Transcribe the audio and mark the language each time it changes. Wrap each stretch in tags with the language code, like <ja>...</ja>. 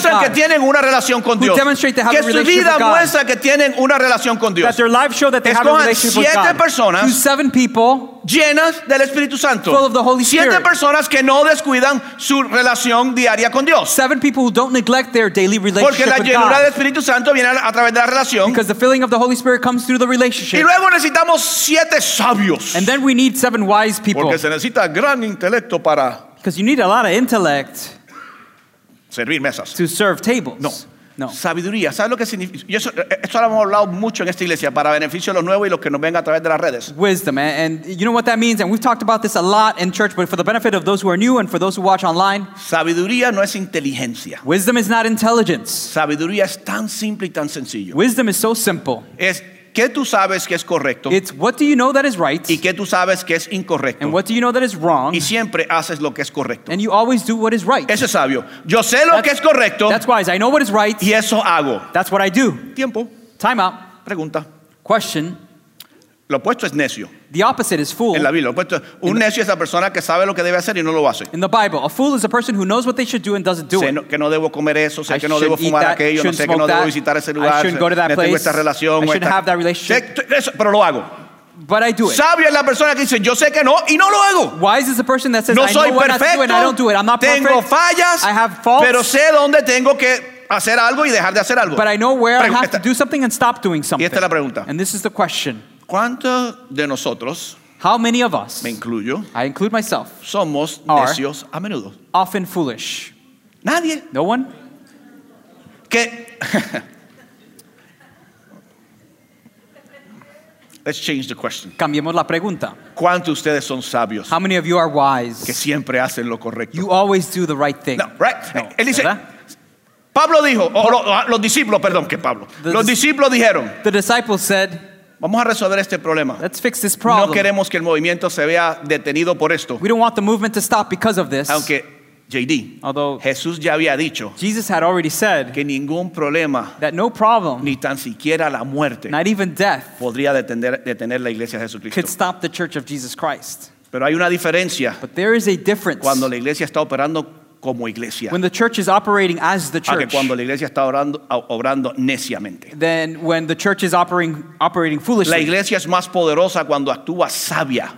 <es>que muestran que tienen una relación con Dios,</es> <en>who demonstrate they have</en> <es>que su vida</es> <en>with God,</en> <es>muestra que tienen una relación con Dios,</es> <en>that their lives show that they</en> <es>escojan</es> <en>have a relationship</en> <es>siete</es> <en>with God,</en> <es>personas</es> <en>choose seven people</en> <es>llenas del Espíritu Santo,</es> <en>full of the Holy Spirit,</en> <es>siete personas que no descuidan su relación diaria con Dios,</es> <en>seven people who don't neglect their daily relationship</en> <es>porque la llenura</es> <en>with God,</en> <es>del Espíritu Santo viene a través de la relación,</es> <en>because the filling of the Holy Spirit comes through the relationship,</en> <es>y luego necesitamos siete sabios,</es> <en>and then we need seven wise people,</en> <es>porque se necesita gran intelecto.</es> <en>Because you need a lot of intellect</en> <es>servir mesas.</es> <en>To serve tables.</en> <es>No.</es> <en>No.</en> <es>Sabiduría. ¿Sabes lo que significa? Y eso lo hemos hablado mucho en esta iglesia para beneficio de los nuevos y los que nos ven a través de las redes.</es> <en>Wisdom. And you know what that means? And we've talked about this a lot in church, but for the benefit of those who are new and for those who watch online.</en> <es>Sabiduría no es inteligencia.</es> <en>Wisdom is not intelligence.</en> <es>Sabiduría es tan simple y tan sencillo.</es> <en>Wisdom is so simple.</en> <es>Es ¿qué tú sabes que es correcto?</es> <en>It's what do you know that is right?</en> <es>¿Y qué tú sabes que es incorrecto?</es> <en>And what do you know that is wrong?</en> <es>Y siempre haces lo que es correcto.</es> <en>And you always do what is right.</en> <es>Ese es sabio. Yo sé lo que es correcto.</es> <en>That's wise. I know what is right.</en> <es>Y eso hago.</es> <en>That's what I do.</en> <es>Tiempo.</es> <en>Time out.</en> <es>Pregunta.</es> <en>Question.</en> <es>Lo opuesto es necio.</es> <en>The opposite is fool.</en> <es>En la Biblia, lo opuesto, un necio es la persona que sabe lo que debe hacer y no lo hace.</es> <en>In the Bible, a fool is a person who knows what they should do and doesn't do it.</en> <es>Sé que no debo comer eso, sé que no debo fumar aquello, no sé que no debo visitar ese lugar.</es> <en>I shouldn't go to that place.</en> <es>Tengo esta relación,</es> <en>I shouldn't have that relationship.</en> <es>Eso, pero lo hago.</es> <en>But I do it.</en> <es>Sabio es la persona que dice, yo sé que no y no lo hago.</es> <en>Wise is the person that says,</en> <es>no soy</es> <en>I know</en> <es>perfecto,</es> <en>what I do and I don't do it. I'm not perfect.</en> <es>Tengo fallas.</es> <en>I have faults.</en> <es>Pero sé dónde tengo que hacer algo y dejar de hacer algo.</es> <en>But I know where I have to do something and stop doing something.</en> <es>Y esta es la pregunta.</es> <en>And this is the question.</en> <es>¿Cuántos de nosotros,</es> <en>how many of us,</en> <es>me incluyo,</es> <en>I include myself,</en> <es>somos necios a menudo?</es> <en>Often foolish.</en> <es>Nadie.</es> <en>No one. Que let's change the question.</en> <es>Cambiemos la pregunta. ¿Cuántos de ustedes son sabios?</es> <en>How many of you are wise?</en> <es>Que siempre hacen lo correcto.</es> <en>You always do the right thing. No, right? No.</en> <es>Él dice, Pablo dijo, los discípulos, perdón, que Pablo. Los discípulos dijeron.</es> <en>The disciples said,</en> <es>Vamos a resolver este problema.</es> <en>Let's fix this problem.</en> <es>No queremos que el movimiento se vea detenido por esto.</es> <en>We don't want the movement to stop because of this.</en> <es>Aunque JD,</es> <en>although</en> <es>Jesús ya había dicho,</es> <en>Jesus had already said</en> <es>que ningún problema,</es> <en>that no problem,</en> <es>ni tan siquiera la muerte,</es> <en>not even death,</en> <es>podría detener la iglesia de Jesucristo.</es> <en>Could stop the church of Jesus Christ.</en> <es>Pero hay una diferencia.</es> <en>But there is a difference.</en> <es>Cuando la iglesia está operando como iglesia.</es> <en>When the church is operating as the church.</en> <es>A que cuando la iglesia está obrando neciamente.</es> <en>Then when the church is operating foolishly.</en> <es>La iglesia es más poderosa cuando actúa sabia.</es>